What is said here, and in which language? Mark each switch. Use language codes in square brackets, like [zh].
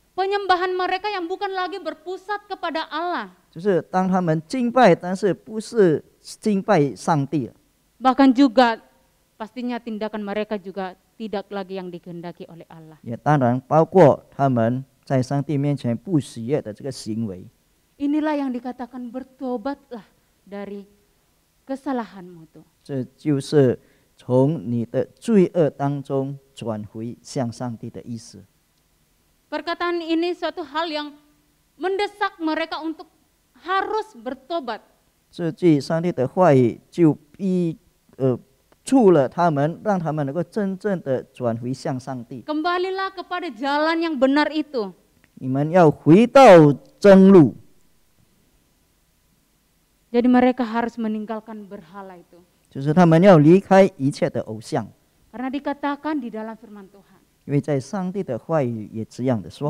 [id] Penyembahan mereka yang bukan lagi berpusat kepada Allah. [zh] 就是当他们敬拜，但是不是敬拜上帝. [id] Bahkan juga pastinya tindakan mereka juga tidak lagi yang dikehendaki oleh Allah. [zh] Ya, 当然包括他们在上帝面前不喜悦的这个行为. [id] Inilah yang dikatakan bertobatlah dari kesalahanmu itu. [zh] 这就是从你的罪恶当中转回向上帝的意思. [id] Perkataan ini suatu hal yang mendesak mereka untuk harus bertobat. [zh] 这句上帝的话语就逼促了他们，让他们能够真正的转回向上帝。 [id] Kembalilah kepada jalan yang benar itu. [zh] 你们要回到正路。 [id] Jadi mereka harus meninggalkan berhala itu. [zh] 就是他们要离开一切的偶像。 [id] Karena dikatakan di dalam firman Tuhan. [zh] 因为在上帝的话语也这样的说。